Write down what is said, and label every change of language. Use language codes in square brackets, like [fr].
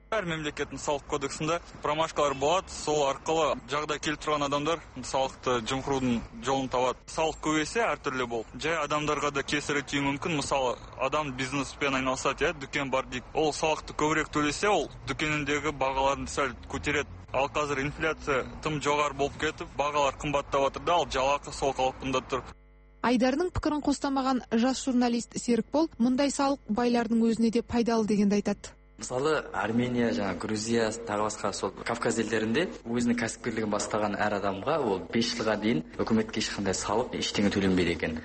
[kk] Әр мемлекеттің салық кодексінде промашкалар болады, сол арқылы жағдай келтірген адамдар салықты жымқырудың жолын табады. Салық көбейсе әртүрлі болады. Жай адамдарға да кесірі тиюі мүмкін. Мысалы, адам бизнеспен айналысады, дүкен бар дейді. Ол салықты көбірек төлесе, ол дүкеніндегі бағаларын сәл көтереді. [ky] Ал казыр инфляция тым жогору болуп кетип, баалар кымбаттап атыр да, ал жалакы сол калыпында тур. [kk] Айдардың пікірін қостамаған жас журналист Серікбол мұндай салық байлардың өзіне де пайдалы дегенді айтады. Мысалы, Армения, жаңа Грузия, тағы басқа сол Кавказ елдерінде өзінің кәсіпкерлігін бастаған әр адамға ол 5 жылға дейін үкіметке ешқандай салық, ештеңе төленбейді екен.